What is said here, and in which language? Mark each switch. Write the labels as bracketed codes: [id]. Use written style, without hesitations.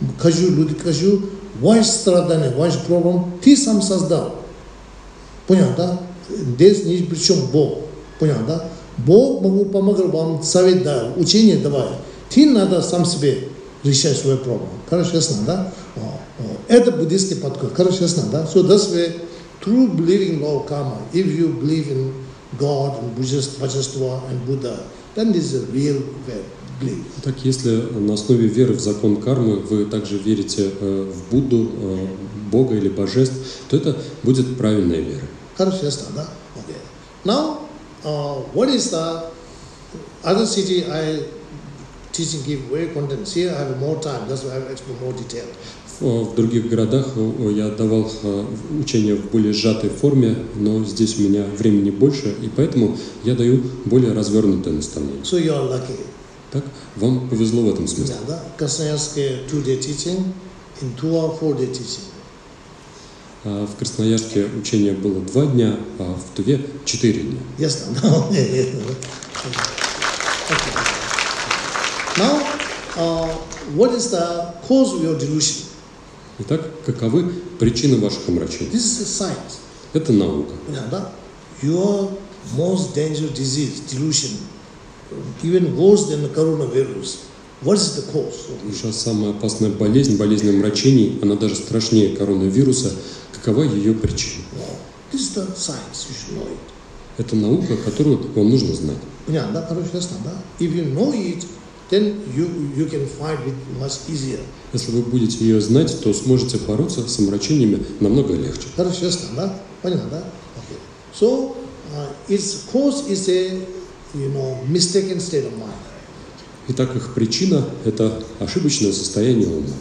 [ru] Кажу людям, кажу, ваш страдание, ваш проблем, ты сам создал. Понял, да? Здесь ни при чем Бог. Понял, да? Бог могу помогать вам, совет дать, учение давать. Ты надо сам себе решать свой проблем. Хорошо, ясно, да? Это буддийский подход. Хорошо, ясно, да? [en] So that's why true believing in law karma, if you believe in God, in Божество, and Buddha, then this is a real faith. [ru] Так, если на основе веры в закон кармы вы также верите в Будду, Бога или Божеств, то это будет правильная вера. Хорошо, ясно, да? Okay. [en] Now, what is the other city I teaching give very content. Here I have more time, that's why I have explained more detail. [ru] В других городах я давал учение в более сжатой форме, но здесь у меня времени больше, и поэтому я даю более развернутое наставление. [en] So you are lucky. [ru] Так, вам повезло в этом смысле. Да, в Красноярске [en] 2-day teaching, in 2-4-day teaching. [ru] В Красноярске учение было 2 дня, а в Туве 4 дня. Ясно, да, ясно. [en] Now, what is the cause of your delusion? [ru] Итак, каковы причины ваших омрачений? [en] This is a science. [ru] Это наука. Понятно, да? [en] Your most dangerous disease, delusion. Even worse than the coronavirus. What is the cause? [ru] Сейчас самая опасная болезнь, болезнь омрачений, она даже страшнее коронавируса. Какова ее причина? [en] This is the science, you should know it. [ru] Это наука, которую вам нужно знать. Понятно, да? Короче, ясно, да? [en] If you know it, then you can fight it much easier. [ru] Если вы будете ее знать, то сможете бороться с омрачениями намного легче. Короче, ясно, да? Понятно, да? [en] Okay. So, its cause is a mistaken state of mind. [ru] Итак, их причина – это ошибочное состояние ума.